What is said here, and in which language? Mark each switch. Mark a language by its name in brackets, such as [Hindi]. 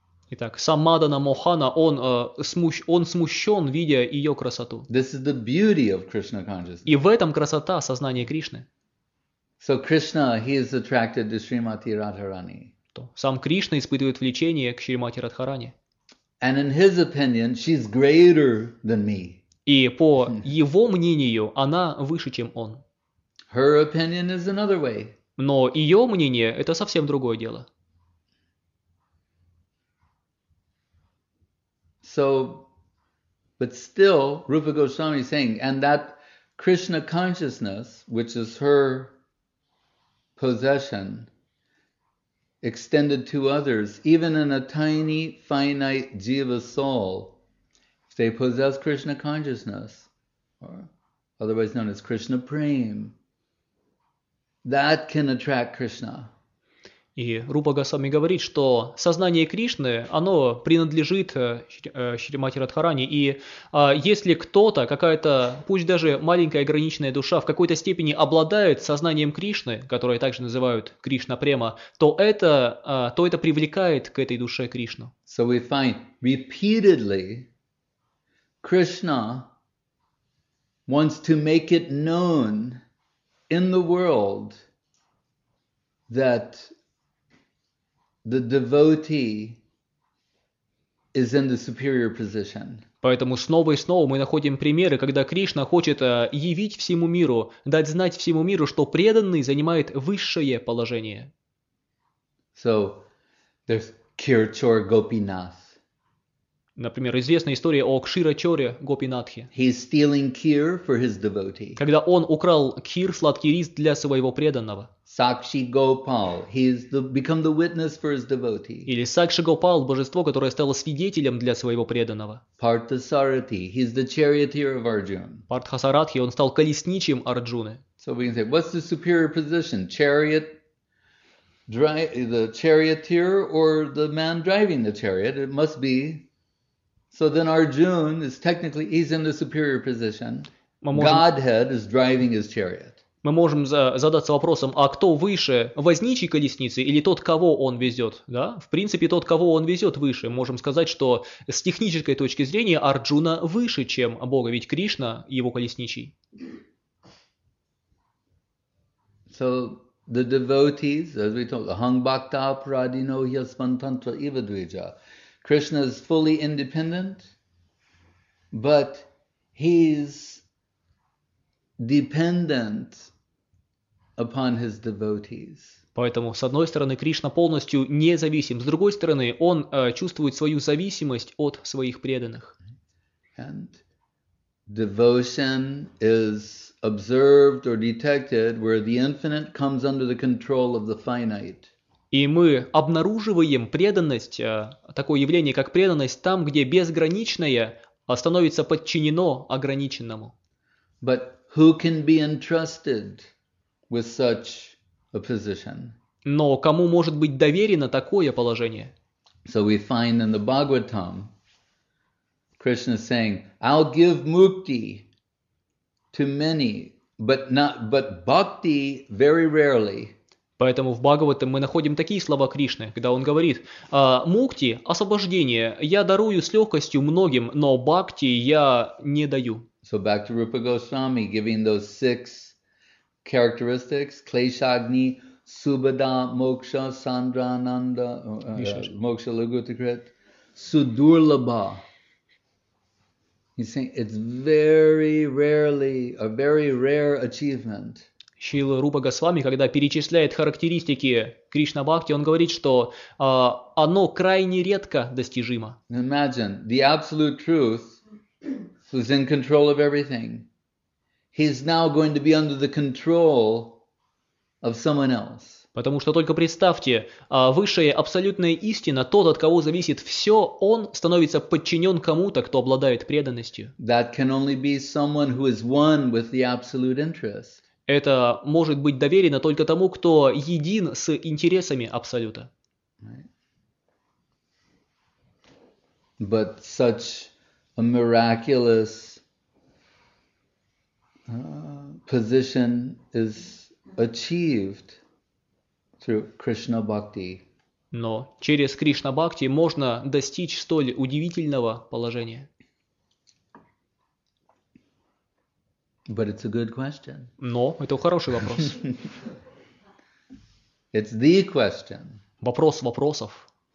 [Russian] Итак, сам Мадана Мохана, он смущен, видя ее красоту. [English] This is the beauty of Krishna consciousness. [Russian] И в этом красота сознания Кришны. [English] So Krishna, he is attracted to Srimati Radharani. [Russian] Сам Кришна испытывает влечение к Шримати Радхарани. [English] And in his opinion, she's greater than me. [Russian] И по его мнению, она выше, чем он. [English] Her opinion is another way. [Russian] Но ее мнение – это совсем другое дело. [English] So, but still, Rupa Goswami is saying, and that Krishna consciousness, which is her possession, extended to others, even in a tiny, finite jiva soul, if they possess Krishna consciousness, or otherwise known as Krishna prema, that can attract Krishna. [Russian] И Рупа Госвами говорит, что сознание Кришны, оно принадлежит Шримати Радхарани. И если кто-то, какая-то, пусть даже маленькая ограниченная душа, в какой-то степени обладает сознанием Кришны, которое также называют Кришна Према, то это привлекает к этой душе Кришну. [English] So we find repeatedly Krishna wants to make it known in the world that the devotee is in the superior position. [Russian] Поэтому снова и снова мы находим примеры, когда Кришна хочет явить всему миру, дать знать всему миру, что преданный занимает высшее положение. [English] So, there's Kirchor Gopinath. [Russian] Например, известная история о Кширачоре Гопинатхе. [English] He's stealing kheer for his devotee. [Russian] Когда он украл кхир, сладкий рис, для своего преданного. [English] Сакши Гопал, he's become the witness for his devotee. [Russian] Или Сакши Гопал, божество, которое стало свидетелем для своего преданного. [English] Партхасарати, he's the charioteer of Arjuna. [Russian] Партхасаратхи, он стал колесничим Арджуны. [English] So we can say, what's the superior position? The charioteer or the man driving the chariot? It must be. So then Arjuna is technically, he's in the superior position. Godhead is driving his chariot. [Russian] Мы можем задаться вопросом, а кто выше, возничий колесницы или тот, кого он везет? Да? В принципе, тот, кого он везет, выше. Можем сказать, что с технической точки зрения Арджуна выше, чем Бога, ведь Кришна его колесничий. [English] So, the devotees, as we talk, [Sanskrit] hung bhakta pradino yaspantantra ivadvija. [English] Krishna is fully independent, but he's dependent upon his devotees. [Russian] Поэтому, с одной стороны, Кришна полностью независим, с другой стороны, он чувствует свою зависимость от своих преданных. [English] And devotion is observed or detected where the infinite comes under the control of the finite. [Russian] И мы обнаруживаем преданность, такое явление, как преданность, там, где безграничное становится подчинено ограниченному. [English] But who can be entrusted with such a position? [Russian] Но кому может быть доверено такое положение? [English] So we find in the Bhagavatam, Krishna saying, "I'll give mukti to many, but bhakti very rarely." [Russian] Поэтому в Бхагаватам мы находим такие слова Кришны, когда он говорит, мукти, освобождение, я дарую с легкостью многим, но бхакти я не даю. [English] So back to Rupa Goswami, giving those six characteristics, Kleshagni, Subhada, Moksha, Sandrananda, Moksha Lugutakrit, Sudurlabha. He's saying it's very rarely, a very rare achievement. [Russian] Шрила Рупа Госвами, когда перечисляет характеристики Кришна Бхакти, он говорит, что оно крайне редко достижимо. [English] Imagine, the absolute truth who's in control of everything. He's now going to be under the control of someone else. [Russian] Потому что только представьте, высшая абсолютная истина, тот, от кого зависит все, он становится подчинен кому-то, кто обладает преданностью. [English] That can only be someone who is one with the absolute interest. [Russian] Это может быть доверено только тому, кто един с интересами Абсолюта. [English] But such a miraculous position is achieved through Krishna Bhakti. [Russian] Но через Кришна Бхакти можно достичь столь удивительного положения. [English] But it's a good question. [Russian] Но это хороший вопрос. [English] It's the question. [Russian] Вопрос вопросов.